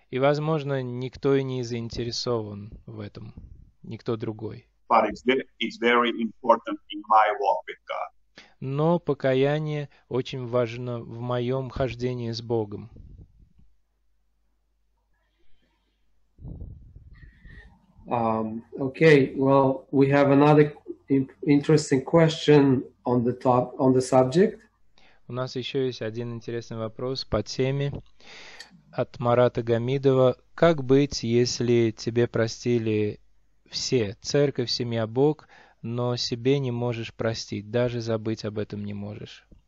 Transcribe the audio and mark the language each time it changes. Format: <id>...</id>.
<ru>И, возможно, никто и не заинтересован в этом, никто другой.</ru> <en>But it's very important in my walk with God.</en> <ru>Но покаяние очень важно в моем хождении с Богом.</ru> <en>Okay, well, we have another interesting question on the top on the subject.</en> <ru>У нас еще есть один интересный вопрос по теме от Марата Гамидова. Как быть, если тебе простили все, церковь, семья, Бог, но себе не можешь простить, даже забыть об этом не можешь.</ru>